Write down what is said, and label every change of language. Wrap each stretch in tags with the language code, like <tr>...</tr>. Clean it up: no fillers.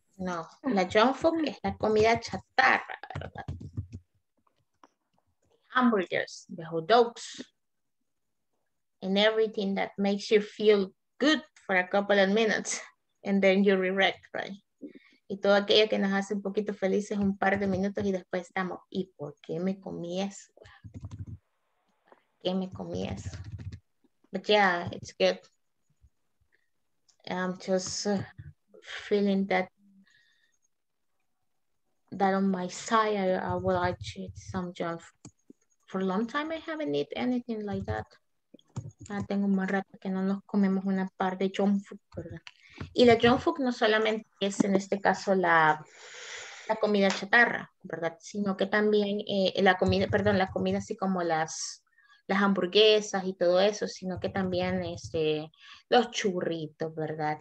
<es>No, la junk food es la comida chatarra, ¿verdad?</es> <en>Hamburgers, the hot dogs, and everything that makes you feel good for a couple of minutes, and then you regret, right?</en> <es>Y todo aquello que nos hace un poquito felices un par de minutos y después estamos, ¿y por qué me comí eso? ¿Por qué me comí eso?</es> <en>But yeah, it's good. I'm just feeling that on my side, I would like to eat some junk. For a long time, I haven't eaten anything like that.</en> <es>Ya tengo más rato que no nos comemos una par de junk food, ¿verdad? Y la junk food no solamente es, en este caso, la comida chatarra, ¿verdad? Sino que también la comida así como las hamburguesas y todo eso, sino que también los churritos, ¿verdad?</es>